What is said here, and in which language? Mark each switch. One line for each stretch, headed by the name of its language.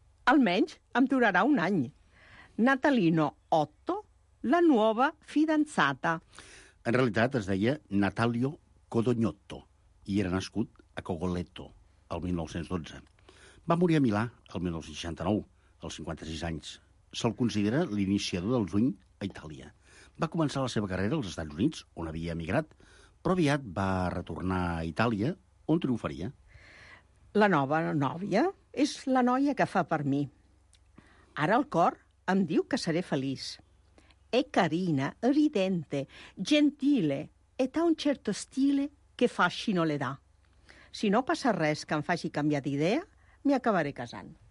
Catalan: Almenys em durarà un any.
Italian: Natalino Otto, la nuova fidanzata.
Catalan: En realitat es deia Natalio Codognotto i era nascut a Cogoletto, el 1912. Va morir a Milà, el 1969, als 56 anys. Se'l considera l'iniciador del swing a Itàlia. Va començar la seva carrera als Estats Units, on havia emigrat, però aviat va retornar a Itàlia, on triomfaria. La nova nòvia és la noia que fa per mi. Ara el cor em diu que seré feliç.
Italian: È carina, ridente, gentile, et ha un certo stile che fascino le dà.
Catalan: Si no passa res que em faci canviar d'idea, m'hi acabaré casant.